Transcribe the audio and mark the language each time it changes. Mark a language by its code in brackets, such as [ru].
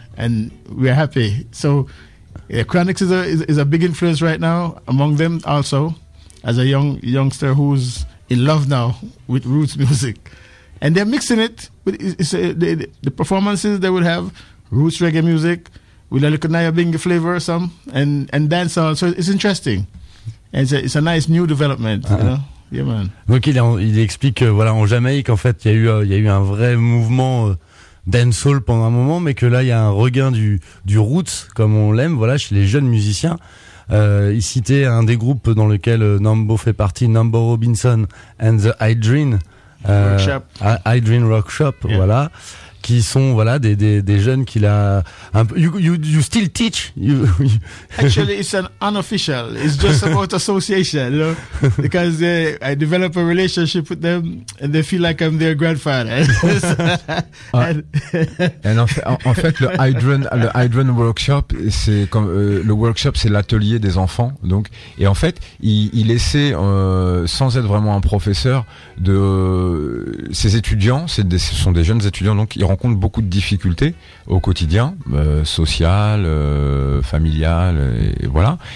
[en] And we're happy. So. Yeah, Chronics is a big influence right now among them also, as a youngster who's in love now with roots music, and they're mixing it with the performances they would have roots reggae music with a little Naya Bingi flavor or some and dance on. So it's interesting, and it's a nice new development. Uh-huh. You know? Yeah, man. [fr] Donc il explique voilà en Jamaïque en fait il y a eu un vrai mouvement. Dancehall pendant un moment, mais que là il y a un regain du roots comme on l'aime, voilà, chez les jeunes musiciens. Il citait un des groupes dans lequel Nambo fait partie, Nambo Robinson and the Idrin [en] Workshop, [fr] Idrin Rock Shop, yeah. Voilà, qui sont voilà des jeunes qu'il a un peu, [en] you still teach you. Actually it's an unofficial, it's just about association, you know, because I develop a relationship with them and they feel like I'm their grandfather. [fr] en fait le Hydron workshop, c'est comme le workshop, c'est l'atelier des enfants, donc, et en fait il essaie sans être vraiment un professeur de ses étudiants, ce sont des jeunes étudiants, donc ils rencontrent beaucoup de difficultés au quotidien, sociales, familiales, et voilà.